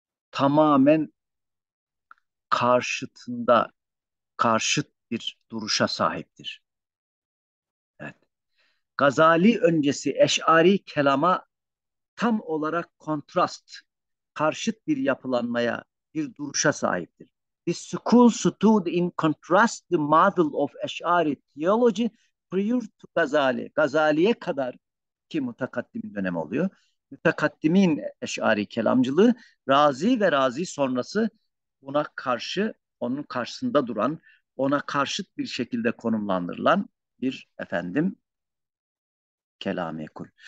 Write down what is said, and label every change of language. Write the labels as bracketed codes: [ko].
[tr] tamamen karşıtında, karşıt bir duruşa sahiptir. Gazali öncesi eşari kelama tam olarak kontrast, karşıt bir yapılanmaya, bir duruşa sahiptir. [en] The school stood in contrast the model of eşari theology prior to Gazali. [tr] Gazali'ye kadar ki mutakaddimin dönemi oluyor. Mütekaddimin eşari kelamcılığı, Razi ve Razi sonrası buna karşı, onun karşısında duran, ona karşıt bir şekilde konumlandırılan bir efendim kelami ekol.